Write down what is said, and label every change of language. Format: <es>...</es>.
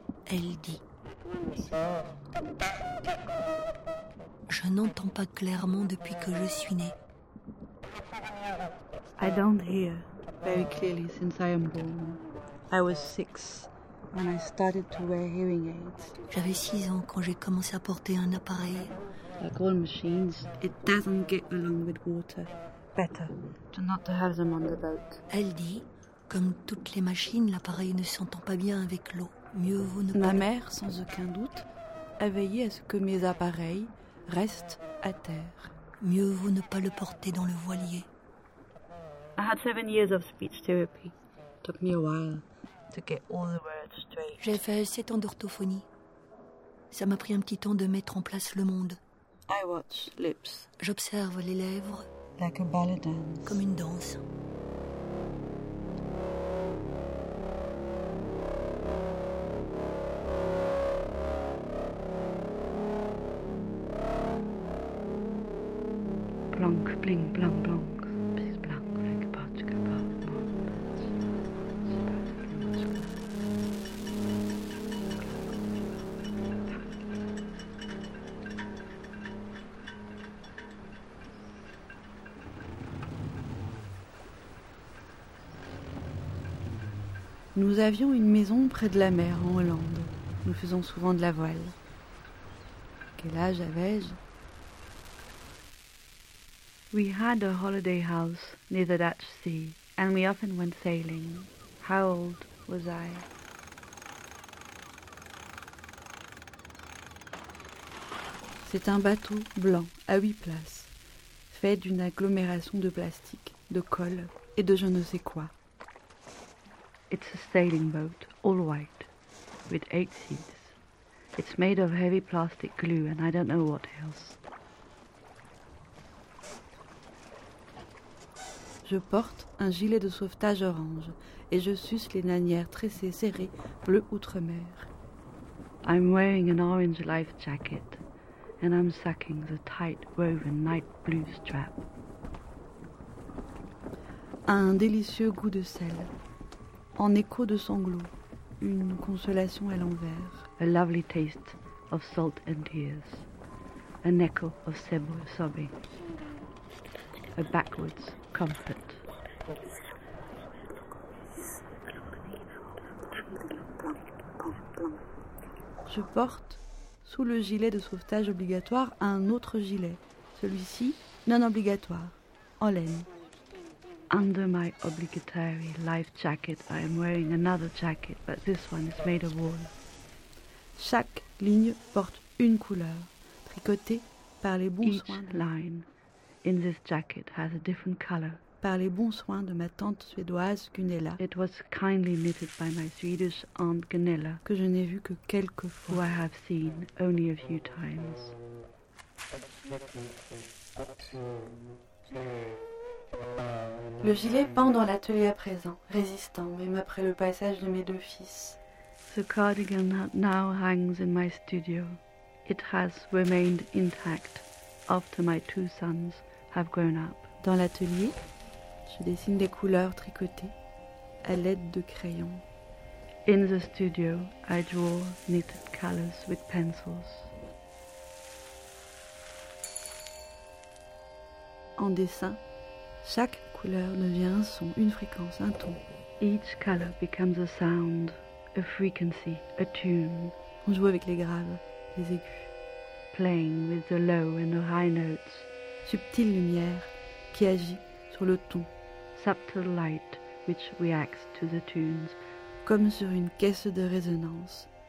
<fr>Elle dit : je n'entends pas clairement depuis que je suis née.</fr> <en>I don't hear very clearly since I am born. I was 6 when I started to wear hearing aids.</en> <fr>J'avais 6 ans quand j'ai commencé à porter un appareil.</fr> <en>Like all machines, it doesn't get along with water. Better to not have them on the boat.</en> <fr>Elle dit, comme toutes les machines, l'appareil ne s'entend pas bien avec l'eau. Mieux vaut ne pas. Ma mère, sans aucun doute, a veillé à ce que mes appareils restent à terre. Mieux vaut ne pas le porter dans le voilier.</fr> <en>I had 7 years of speech therapy. It took me a while to get all the words straight.</en> <fr>J'ai fait 7 ans d'orthophonie. Ça m'a pris un petit temps de mettre en place le monde.</fr> <en>I watch lips.</en> <fr>J'observe les lèvres.</fr> <en>Like a ballet dance.</en> <fr>Comme une danse. Plank, bling, plank, plank. Nous avions une maison près de la mer, en Hollande. Nous faisons souvent de la voile. Quel âge avais-je ?</fr> <en>We had a holiday house near the Dutch Sea, and we often went sailing. How old was I ?</en> <fr>C'est un bateau blanc, à 8 places, fait d'une agglomération de plastique, de colle et de je ne sais quoi.</fr> <en>It's a sailing boat, all white, with 8 seats. It's made of heavy plastic glue and I don't know what else.</en> <fr>Je porte un gilet de sauvetage orange et je suce les nanières tressées serrées bleu outre-mer.</fr> <en>I'm wearing an orange life jacket and I'm sucking the tight woven night blue strap.</en> <fr>Un délicieux goût de sel. En écho de sanglots, une consolation à l'envers.</fr> <en>A lovely taste of salt and tears. An echo of sable sobbing. A backwards comfort.</en> <fr>Je porte, sous le gilet de sauvetage obligatoire, un autre gilet. Celui-ci, non obligatoire, en laine.</fr> <en>Under my obligatory life jacket, I am wearing another jacket, but this one is made of wool.</en> <fr>Chaque ligne porte une couleur, tricotée par les bons soins.</fr> <en>Each line in this jacket has a different color.</en> <fr>Par les bons soins de ma tante suédoise Gunilla.</fr> <en>It was kindly knitted by my Swedish aunt Gunilla.</en> <fr>Que je n'ai vu que quelques fois.</fr> <en>Who I have seen only a few times.</en> <fr>Le gilet pend dans l'atelier à présent, résistant, même après le passage de mes deux fils.</fr> <en>The cardigan now hangs in my studio. It has remained intact after my two sons have grown up.</en> <fr>Dans l'atelier, je dessine des couleurs tricotées à l'aide de crayons.</fr> <en>In the studio, I draw knitted colors with pencils.</en> <fr>en dessin, chaque couleur devient un son, une fréquence, un ton.</fr> <en>Each color becomes a sound, a frequency, a tune.</en> <fr>On joue avec les graves, les aigus.</fr> <en>Playing with the low and the high notes.</en> <fr>Subtile lumière qui agit sur le ton.</fr> <en>Subtle light which reacts to the tunes.</en> <fr>Comme sur une caisse de résonance.</fr>